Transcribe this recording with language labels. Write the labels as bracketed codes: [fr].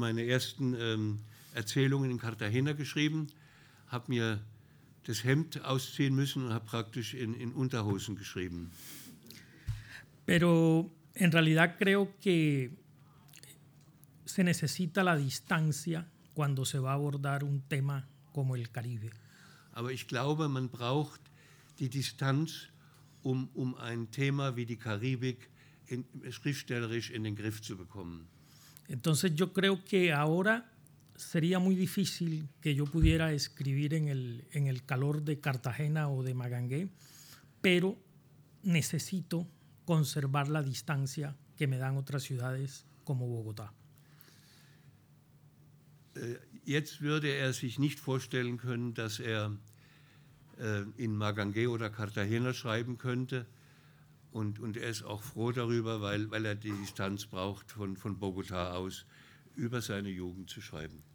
[de] Erzählungen in Cartagena geschrieben, habe mir das Hemd ausziehen müssen und habe praktisch in Unterhosen geschrieben. [es] Pero en realidad creo que se necesita la distancia cuando se va a abordar un tema como el Caribe. [de] Aber ich glaube, man braucht die Distanz, um ein Thema wie die Karibik schriftstellerisch in den Griff zu bekommen. [es] Entonces yo creo que ahora sería muy difícil que yo pudiera escribir en el calor de Cartagena o de Magangué, pero necesito conservar la distancia que me dan otras ciudades como Bogotá. [de] Jetzt würde er sich nicht vorstellen können, dass er in Magangué oder Cartagena schreiben könnte, und er ist auch froh darüber, weil er die Distanz braucht von Bogotá aus, über seine Jugend zu schreiben.